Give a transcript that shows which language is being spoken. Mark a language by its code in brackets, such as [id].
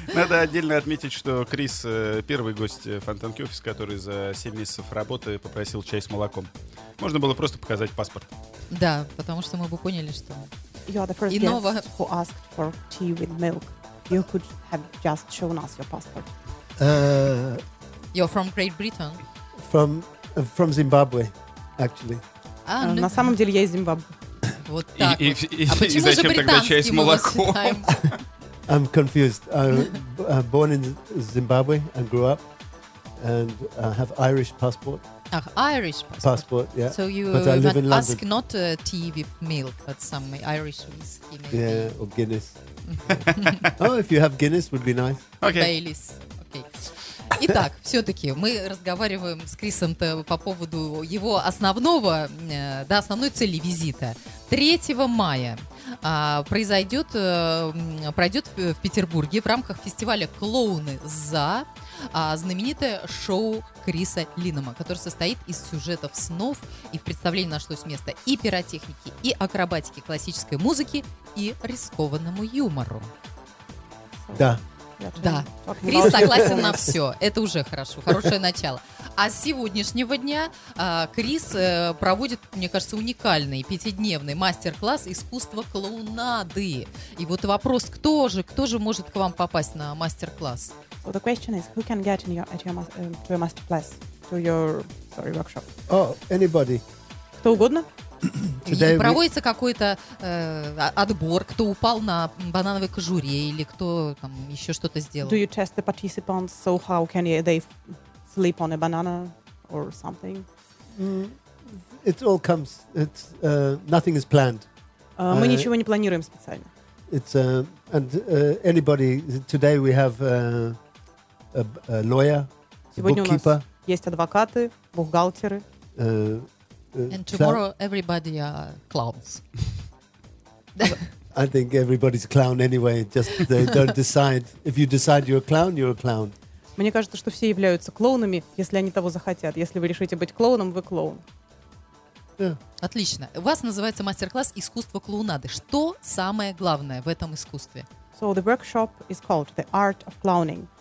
[ru] Надо отдельно отметить, что Крис первый гость Фонтанки офиса, который за 7 месяцев работы попросил чай с молоком. Можно было просто показать паспорт. Да, потому что мы бы поняли, что [en] you are the first guest who asked for tea with milk. You could have just shown us your passport. You're from Great Britain. From Zimbabwe, actually. [ru] На самом деле я из Зимбабве. Вот так. И зачем тогда чай с молоком? [en] I'm confused. I'm born in Zimbabwe and grew up, and I have Irish passport. Ah, Irish passport. Passport, yeah. So you but I live in London. Ask not tea with milk, but some Irish whiskey, maybe. Yeah, or Guinness. Oh, if you have Guinness, would be nice. Okay. Baileys. Okay. [ru] Итак, все-таки мы разговариваем с Крисом-то по поводу его основного, да, основной цели визита. 3 мая пройдет в Петербурге в рамках фестиваля «Клоуны за» знаменитое шоу Криса Линнема, которое состоит из сюжетов снов, и в представлении нашлось место и пиротехники, и акробатики классической музыки, и рискованному юмору. Да. Да, Крис согласен на все. Это уже хорошо, хорошее начало. А с сегодняшнего дня Крис проводит, мне кажется, уникальный 5-дневный мастер-класс искусства клоунады. И вот вопрос, кто же может к вам попасть на мастер-класс? [en] So the question is, who can get in your masterclass, to your sorry workshop? Oh, anybody. [ru] Кто угодно. Today проводится какой-то отбор, кто упал на банановой кожуре или кто там еще что-то сделал. [en] Do you test the participants, so how can they slip on a banana or something? It all comes, it's nothing is planned. [ru] Мы ничего не планируем специально. [en] It's and anybody, today we have a lawyer, [ru] сегодня [en] a bookkeeper. [ru] У нас есть адвокаты, бухгалтеры. [en] And tomorrow everybody are clowns. I think everybody's a clown anyway. Just they don't decide. If you decide you're a clown, you're a clown. [ru] Мне кажется, что все являются клоунами, если они того захотят. Если вы решите быть клоуном, вы клоун. Отлично. У вас называется мастер-класс «Искусство клоунады». Что самое главное в этом искусстве? [en] So the workshop is called the art of clowning.